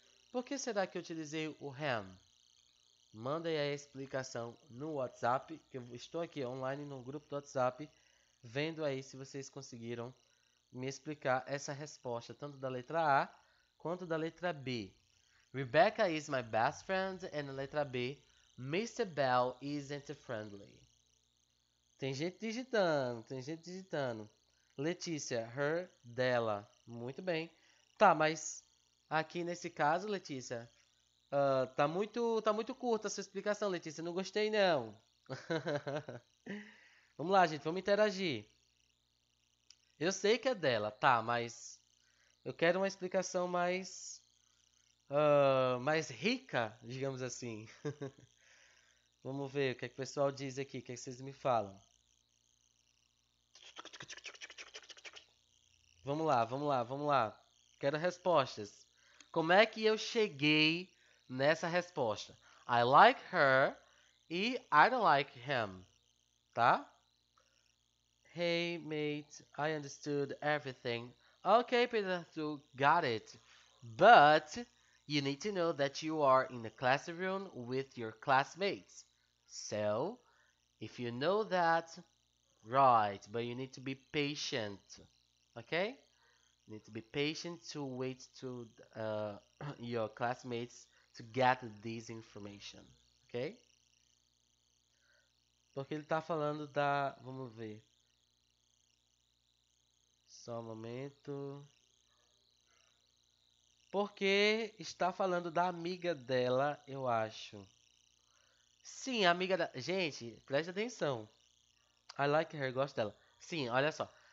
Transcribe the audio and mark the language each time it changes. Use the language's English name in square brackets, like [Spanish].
[Portuguese] Por que será que eu utilizei o him? Manda aí a explicação no WhatsApp, que eu estou aqui online no grupo do WhatsApp, vendo aí se vocês conseguiram me explicar essa resposta, tanto da letra A, quanto da letra B. [English] Rebecca is my best friend. And [Portuguese] a letra B. [English] Mr. Bell isn't friendly. [Portuguese] Tem gente digitando. Letícia, her, dela. Muito bem. Tá, mas aqui nesse caso, Letícia, tá muito curta a sua explicação, Letícia. Não gostei, não. Vamos lá, gente. Vamos interagir. Eu sei que é dela. Tá, mas eu quero uma explicação mais mais rica, digamos assim. Vamos ver o que é que o pessoal diz aqui, o que é que vocês me falam. Vamos lá. Quero respostas. Como é que eu cheguei nessa resposta? [English] I like her e I don't like him. Tá? Hey, mate, I understood everything. Okay, Peter, so got it. But you need to know that you are in the classroom with your classmates. So, if you know that, right, but you need to be patient. Okay? You need to be patient to wait to your classmates to get this information. Okay? [Portuguese] Porque ele tá falando da... Vamos ver. Só um momento. Porque está falando da amiga dela, eu acho. Sim, amiga da... Gente, preste atenção. [English] I like her, [Portuguese] gosto dela. Sim, olha só.